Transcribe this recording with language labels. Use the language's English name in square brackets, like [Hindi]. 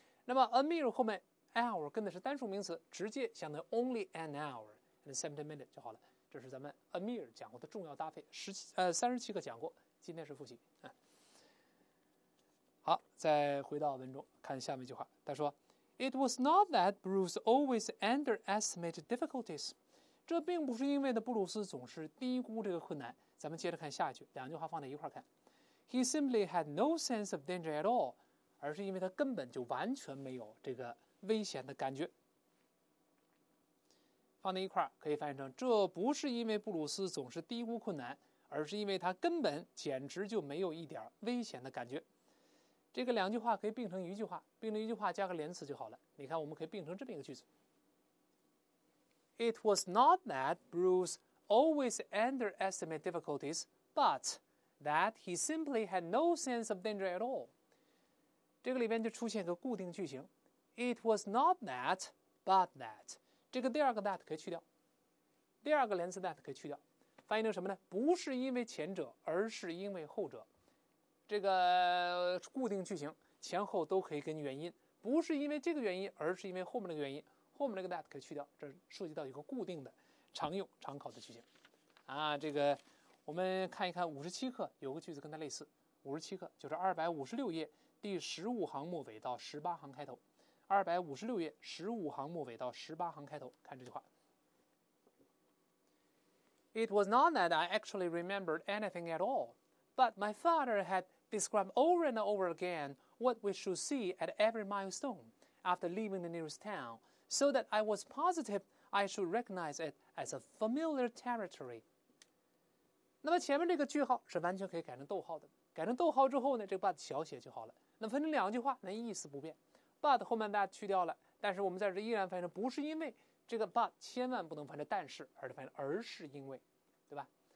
[Chinese] 那么 [English] a mere [Chinese] 后面 [English] hour [Chinese] 跟的是单数名词，直接相当于 [English] only an hour and 70 minutes [Chinese] 就好了。这是咱们 [English] a mere [Chinese] 讲过的重要搭配，37课讲过，今天是复习。好，再回到文中看下面一句话，他说 [English] It was not that Bruce always underestimated difficulties. [Chinese] 这并不是因为的布鲁斯总是低估这个困难。咱们接着看下一句，两句话放在一块看。 [English] He simply had no sense of danger at all. [Chinese] 而是因为他根本就完全没有这个危险的感觉。放在一块可以翻译成，这不是因为布鲁斯总是低估困难，而是因为他根本简直就没有一点危险的感觉。这个两句话可以并成一句话，并成一句话加个连词就好了。你看，我们可以并成这么一个句子。 [English] It was not that Bruce always underestimated difficulties, but that he simply had no sense of danger at all. [Chinese] 这个里边就出现个固定句型。 [English] It was not that, but that. [Chinese] 这个第二个 [English] that [Chinese] 可以去掉。第二个连词 that 可以去掉。翻译成什么呢？不是因为前者，而是因为后者。这个固定句型前后都可以跟原因，不是因为这个原因，而是因为后面那个原因，后面那个 that 可以去掉，这涉及到一个固定的常用常考的句型啊。这个我们看一看57课有个句子跟它类似，57课就是256页第15行末尾到18行开头，256页15行末尾到18行开头，看这句话。 [English] It was not that I actually remembered anything at allBut my father had described over and over again what we should see at every milestone after leaving the nearest town, so that I was positive I should recognize it as a familiar territory. [Chinese] 那么前面这个句号是完全可以改成逗号的，改成逗号之后呢，这个 but 小写就好了。那分成两句话，那意思不变 ，but 后面 that 去掉了，但是我们在这依然翻译成不是因为这个 but 千万不能翻成但是，而是翻成而是因为，对吧？